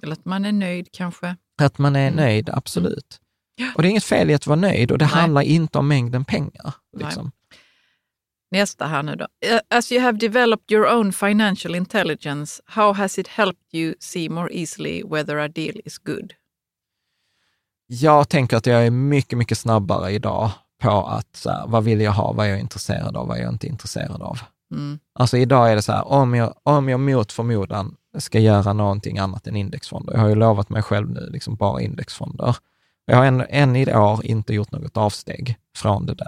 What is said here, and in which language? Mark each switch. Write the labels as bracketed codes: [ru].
[sv] Eller att man är nöjd kanske. Att man är nöjd, absolut. Och det är inget fel i att vara nöjd, och det handlar inte om mängden pengar. Liksom. Nästa här nu då. [en] As you have developed your own financial intelligence, how has it helped you see more easily whether a deal is good? [sv] Jag tänker att jag är mycket, mycket snabbare idag på att så här, vad vill jag ha, vad jag är intresserad av, vad jag inte är intresserad av. Mm. Alltså idag är det så här, om jag mot förmodan ska göra någonting annat än indexfonder. Jag har ju lovat mig själv nu liksom bara indexfonder. Jag har än i år inte gjort något avsteg från det där.